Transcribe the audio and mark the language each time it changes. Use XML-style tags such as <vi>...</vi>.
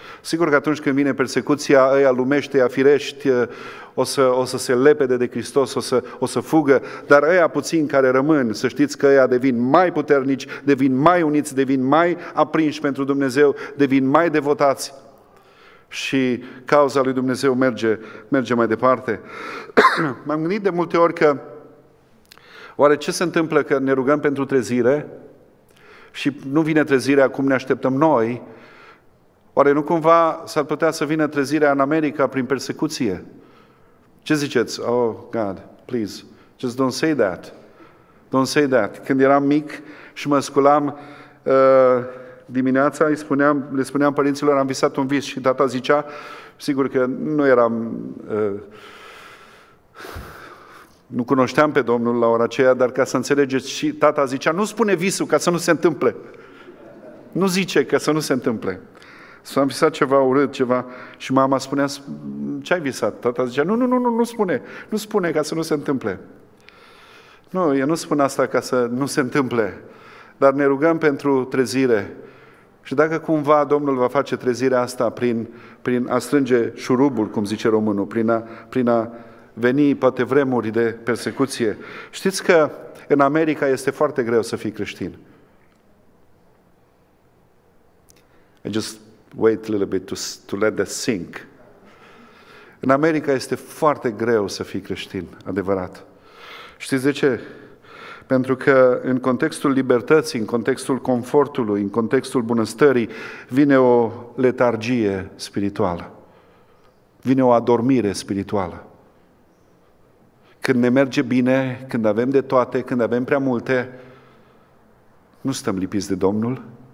<ro>Sigur că atunci când vine persecuția, ăia lumește, ăia firești, o să se lepede de Hristos, o să fugă, dar ăia puțini care rămân, să știți că ăia devin mai puternici, devin mai uniți, devin mai aprinși pentru Dumnezeu, devin mai devotați și cauza lui Dumnezeu merge mai departe. M-am gândit de multe ori că oare ce se întâmplă că ne rugăm pentru trezire și nu vine trezirea cum ne așteptăm noi? Oare nu cumva s-ar putea să vină trezirea în America prin persecuție? Ce ziceți?</ro> <en>Oh, God, please, just don't say that. Don't say that.</en> <ro>Când eram mic și mă sculam dimineața, le spuneam părinților, am visat un vis și tata zicea, sigur că nu eram, nu cunoșteam pe Domnul la ora aceea, dar ca să înțelegeți, și tata zicea, nu spune visul ca să nu se întâmple. Nu zice ca să nu se întâmple. S-am visat ceva urât, ceva, și mama spunea, ce ai visat? Tata zicea, nu spune ca să nu se întâmple. Nu, eu nu spun asta ca să nu se întâmple, dar ne rugăm pentru trezire. Și dacă cumva Domnul va face trezirea asta prin a strânge șurubul, cum zice românul, prin a veni poate vremuri de persecuție. Știți că în America este foarte greu să fii creștin.</ro> <en>Wait a little bit to let that sink.</en> <ro>În America este foarte greu să fii creștin, adevărat. Știți de ce? Pentru că în contextul libertății, în contextul confortului, în contextul bunăstării, vine o letargie spirituală. Vine o adormire spirituală. Când ne merge bine, când avem de toate, când avem prea multe, nu stăm lipiți de Domnul.</ro>